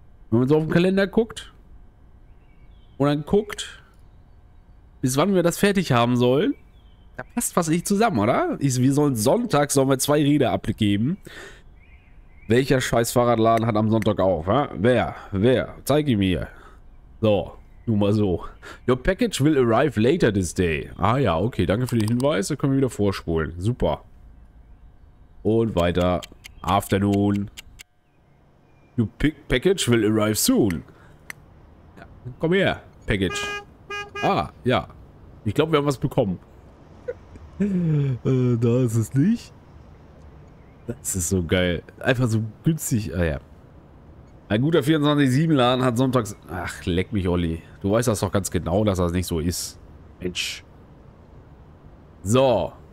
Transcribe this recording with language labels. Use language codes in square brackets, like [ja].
[de] Wenn man so auf den Kalender guckt und dann guckt, bis wann wir das fertig haben sollen, da passt was nicht zusammen, oder? Wir sollen Sonntag, sollen wir zwei Räder abgeben. Welcher scheiß Fahrradladen hat am Sonntag auf? Hä? Wer? Wer? Zeig ihn mir. So, nur mal so. [en] Your package will arrive later this day. [de] Ah ja, okay. Danke für den Hinweis. Da können wir wieder vorspulen. Super. Und weiter. Afternoon. [en] Your package will arrive soon. [de] Ja, komm her, Package. Ah, ja. Ich glaube, wir haben was bekommen. da ist es nicht. Das ist so geil. Einfach so günstig. Ah ja. Ein guter 24-7-Laden hat sonntags. Ach, leck mich, Olli. Du weißt das doch ganz genau, dass das nicht so ist. Mensch. So.